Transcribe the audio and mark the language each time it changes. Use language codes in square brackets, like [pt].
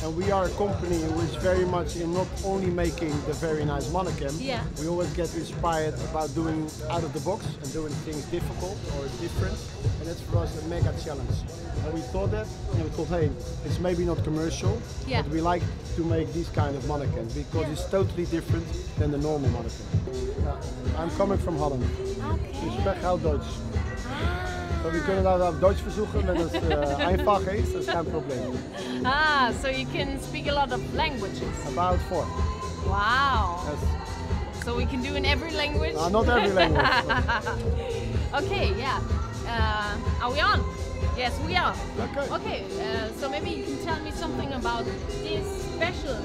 [en] And we are a company which very much in not only making the very nice mannequin, we always get inspired about doing out of the box and doing things difficult or different. And that's for us a mega challenge. And we thought that, and we thought, hey, it's maybe not commercial, but we like to make this kind of mannequin because it's totally different than the normal mannequin. I'm coming from Holland. Okay. [de] Ich spreche auch Deutsch. Aber wir können auch auf Deutsch versuchen, wenn es einfach ist, das ist kein Problem. [en] Ah, so you can speak a lot of languages? About 4. Wow. Yes. So we can do in every language? Not every language. Okay, are we on? Yes, we are. Okay, so maybe you can tell me something about this special